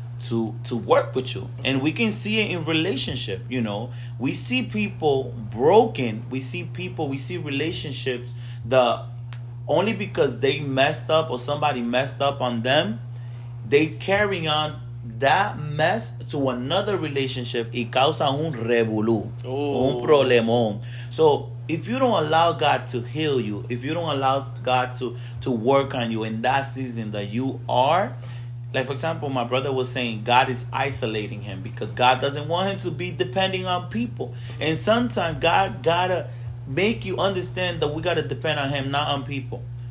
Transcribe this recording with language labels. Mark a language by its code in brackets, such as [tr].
[en] to work with you. And we can see it in relationship, you know. We see people broken. We see people, we see relationships that only because they messed up or somebody messed up on them, they carry on that mess to another relationship. [es] Y causa un revolú, un problemón. [en] So if you don't allow God to heal you, if you don't allow God to work on you in that season that you are, like, for example, my brother was saying God is isolating him because God doesn't want him to be depending on people. And sometimes God gotta make you understand that we gotta depend on him, not on people.